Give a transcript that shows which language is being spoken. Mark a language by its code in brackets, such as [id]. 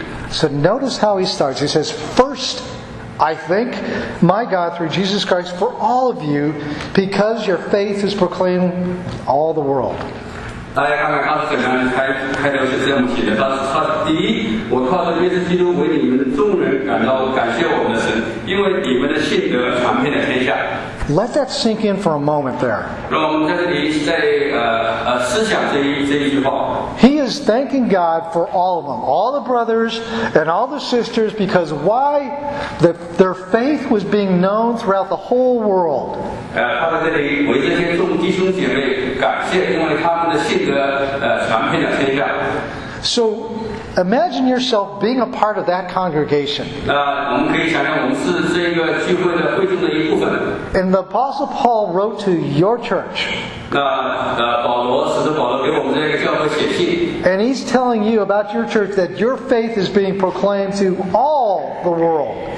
[en] So notice how he starts. He says, "First, I thank my God through Jesus Christ for all of you, because your faith is proclaimed all the world." [zh] 大家看看二十四章开头是这么写的，他第一，我靠着耶稣基督为你们众人感到感谢我们的神，因为你们的信德传遍了天下。 [en] Let that sink in for a moment there. [zh] 让我们在这里思想这一句话。 [en] He is thanking God for all of them, all the brothers and all the sisters, because why? Their faith was being known throughout the whole world. [zh] 他在这里为这些众弟兄姐妹感谢，因为他们的信德传遍了天下。 [en] So imagine yourself being a part of that congregation. [zh] 我们可以想象我们是这个聚会的会众的一部分。 [en] And the Apostle Paul wrote to your church. [zh] 保罗给我们这个教会写信。 [en] And he's telling you about your church that your faith is being proclaimed to all the world.